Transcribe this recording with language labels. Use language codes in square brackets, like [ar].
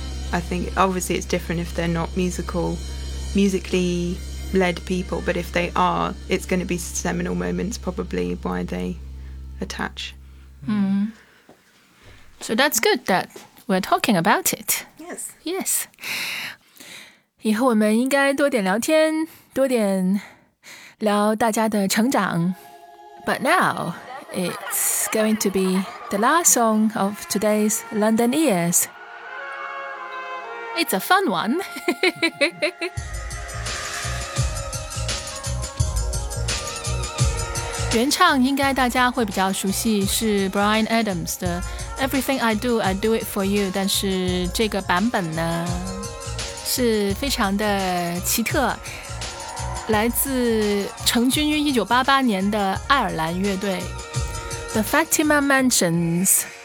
[en] I think obviously it's different if they're not musically... led people, but if they are, it's going to be seminal moments probably why they attach. Mm. So that's good that we're talking about it. Yes. Yes. [zh] 以后我们应该多点聊天，多点聊大家的成长。 [en] But now, it's going to be the last song of today's London Ears. It's a fun one. [zh] 原唱应该大家会比较熟悉是 Bryan Adams 的 Everything I do it for you 但是这个版本呢是非常的奇特来自成军于1988年的爱尔兰乐队 The Fatima Mansions